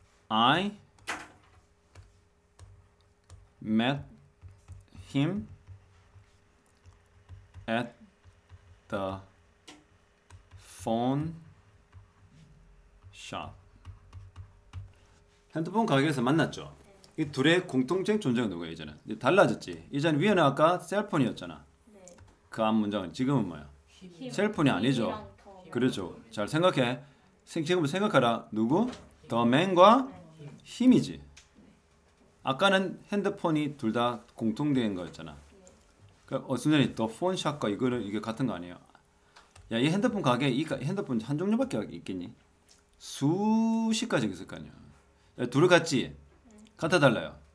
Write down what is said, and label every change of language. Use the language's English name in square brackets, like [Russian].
[English] I met him at the phone shop. [Korean] 핸드폰 가게에서 만났죠. 이 둘의 공통적인 존재가 누구야, 이제는? 이제 달라졌지. 이전 위에는 아까 셀폰이었잖아. 그앞 문장은 지금은 뭐야? 셀폰이 아니죠. 그렇죠. 잘 생각해. 지금 생각하라. 누구? [English] The man [Korean] 과 him이지. 아까는 핸드폰이 둘다 공통된 거였잖아. 그 순전히 더폰 샵과 이거는 이게 같은 거 아니에요? 야, 이 핸드폰 가게 이 핸드폰 한 종류밖에 있겠니? 수십 가지 있을 거 아니야. 둘 같지? 같아 달라요.